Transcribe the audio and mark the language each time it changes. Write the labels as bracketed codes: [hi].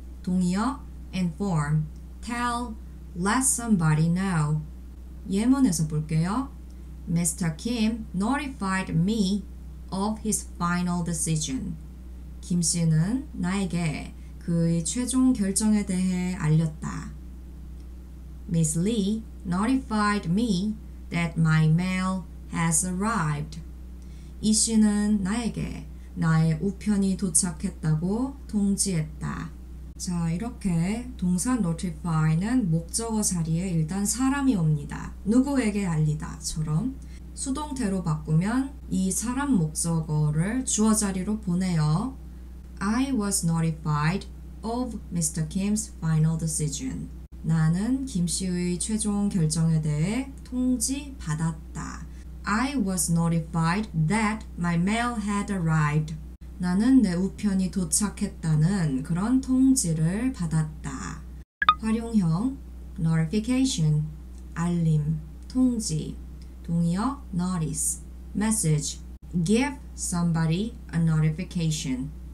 [en] 동의어, inform, tell, let somebody know. [ko] 예문에서 볼게요. [en] Mr. Kim notified me of his final decision. [ko] 김 씨는 나에게 그의 최종 결정에 대해 알렸다. [en] Miss Lee notified me that my mail has arrived. [ko] 이 씨는 나에게 나의 우편이 도착했다고 통지했다. 자, 이렇게 동사 notify는 목적어 자리에 일단 사람이 옵니다. 누구에게 알리다처럼 수동태로 바꾸면 이 사람 목적어를 주어 자리로 보내요. [en] I was notified of Mr. Kim's final decision. [ko] 나는 김 씨의 최종 결정에 대해 통지받았다. [en] I was notified that my mail had arrived. [ko] 나는 내 우편이 도착했다는 그런 통지를 받았다. 활용형 notification, 알림, 통지. [en] 동의어 notice, message. Give somebody a notification.